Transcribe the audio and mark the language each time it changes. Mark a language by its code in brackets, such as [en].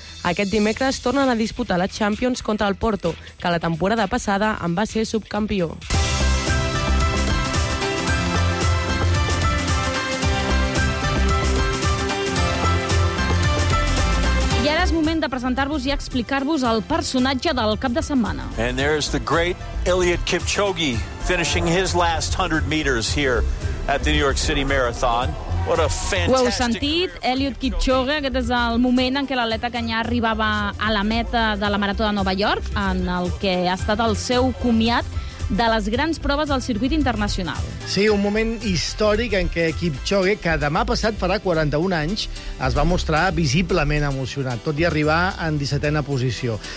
[ca] Aquest dimecres tornen a disputar la Champions contra el Porto, que la temporada passada en va ser subcampió. Moment de presentar-vos i explicar-vos el personatge del cap de setmana. [en] And there's the great Eliud Kipchoge finishing his last 100 meters here at the New York City Marathon. [ca] Ho heu sentit, Eliud Kipchoge, aquest és el moment en què l'atleta canyà arribava a la meta de la Marató de Nova York, en el que ha estat el seu comiat de les grans proves del circuit internacional. Sí, un moment històric en què Kipchoge, que demà passat farà 41 anys, es va mostrar visiblement emocionat, tot i arribar en 17a posició.